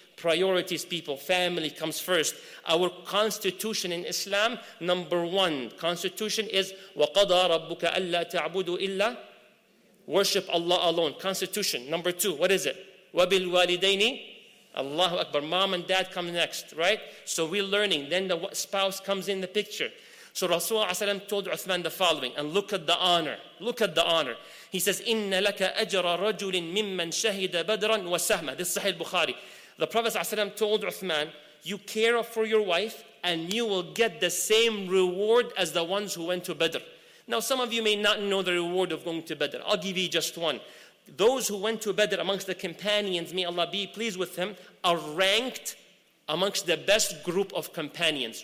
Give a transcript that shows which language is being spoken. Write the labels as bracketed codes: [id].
[en] Priorities, people. Family comes first. Our constitution in Islam, number one constitution is [ar] وَقَضَى رَبُّكَ أَلَّا تَعْبُدُوا إِلَّا. [en] Worship Allah alone. Constitution. Number two, what is it? [ar] وَبِالْوَالِدَيْنِ. [en] Allahu Akbar. Mom and dad come next, right? So we're learning. Then the spouse comes in the picture. So Rasulullah ﷺ told Uthman the following, and look at the honor. Look at the honor. He says, [ar] إِنَّ لَكَ أَجْرَ رَجُلٍ مِّمَّنْ شَهِدَ بَدْرًا وَسَهْمًا. [en] This is Sahih Bukhari. The Prophet ﷺ told Uthman, you care for your wife and you will get the same reward as the ones who went to Badr. Now, some of you may not know the reward of going to Badr. I'll give you just one. Those who went to Badr amongst the companions, may Allah be pleased with them, are ranked amongst the best group of companions.